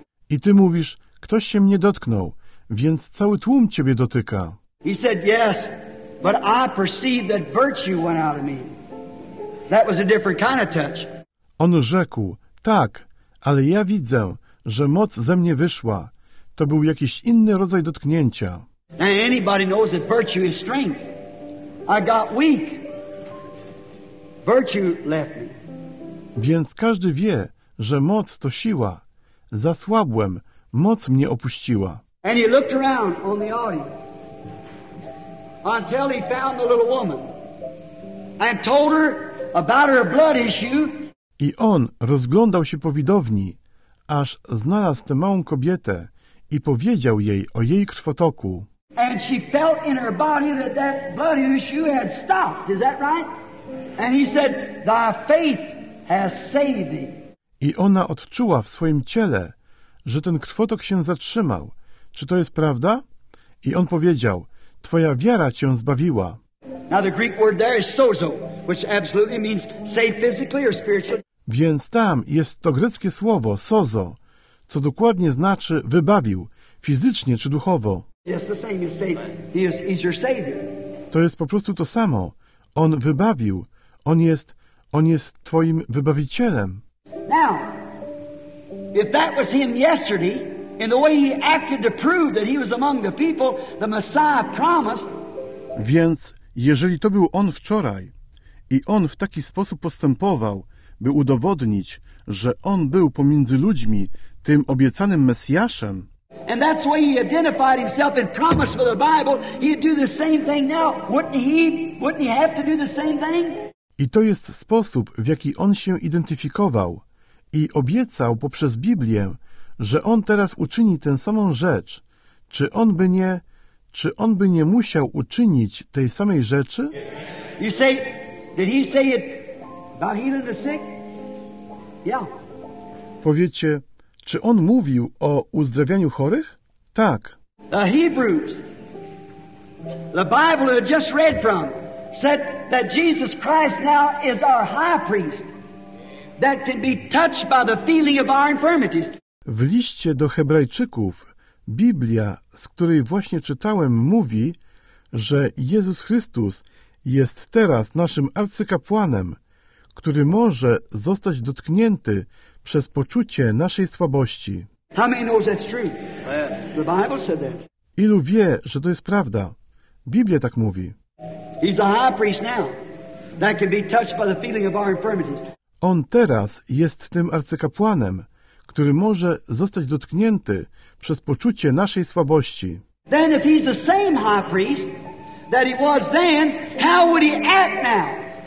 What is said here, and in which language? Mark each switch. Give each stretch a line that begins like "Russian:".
Polish: I Ty mówisz, ktoś się mnie dotknął, więc cały tłum Ciebie dotyka.
English: He said, yes, but I perceived that virtue went out of me. That was a different kind of touch.
Polish: On rzekł, tak, ale ja widzę, że moc ze mnie wyszła. To był jakiś inny rodzaj dotknięcia.
English: And anybody knows that virtue is strength. I got weak. Virtue left me.
Polish: Więc każdy wie, że moc to siła. Zasłabłem, moc mnie opuściła.
English: And he looked around on the audience. Until he found the little woman and told her about her blood issue.
Polish: I on rozglądał się po widowni, aż znalazł tę małą kobietę i powiedział jej o jej krwotoku.
English: And she felt in her body that that blood issue had stopped. Is that right? And he said, "Thy faith has saved thee."
Polish: I ona odczuła w swoim ciele, że ten krwotok się zatrzymał. Czy to jest prawda? I on powiedział, Twoja wiara Cię zbawiła.
English: Now the Greek word there is sozo, which absolutely means save physically or spiritually.
Polish: Więc tam jest to greckie słowo sozo, co dokładnie znaczy wybawił, fizycznie czy duchowo.
English: Yes, the same is save. He's your savior.
Polish: To jest po prostu to samo. On wybawił. On jest Twoim wybawicielem.
English: Now, if that was him yesterday, in the way he acted to prove that he was among the people the Messiah promised.
Polish: Więc jeżeli to był on wczoraj i on w taki sposób postępował, by udowodnić, że on był pomiędzy ludźmi tym obiecanym Mesjaszem.
English: And that's why he identified himself and promised for the Bible, he'd do the same thing now. Wouldn't he have to do the same thing?
Polish: I to jest sposób, w jaki on się identyfikował i obiecał poprzez Biblię, że on teraz uczyni tę samą rzecz. Czy on by nie musiał uczynić tej samej rzeczy?
English: You say, did he say it about healing the sick? Yeah.
Polish: Powiecie, czy on mówił o uzdrawianiu chorych? Tak.
English: The Hebrews, the Bible that I just read from, said that Jesus Christ now is our high priest that can be touched by the feeling of our infirmities.
Polish: W liście do Hebrajczyków Biblia, z której właśnie czytałem, mówi, że Jezus Chrystus jest teraz naszym arcykapłanem, który może zostać dotknięty przez poczucie naszej słabości.
English: How many knows that's true? The Bible said that.
Polish: Ilu wie, że to jest prawda? Biblia tak mówi.
English: He's a high priest now that can be touched by the feeling of our infirmities.
Polish: On teraz jest tym arcykapłanem, który może zostać dotknięty przez poczucie naszej słabości.
English: Then if he's the same high priest that he was then, how would he act now?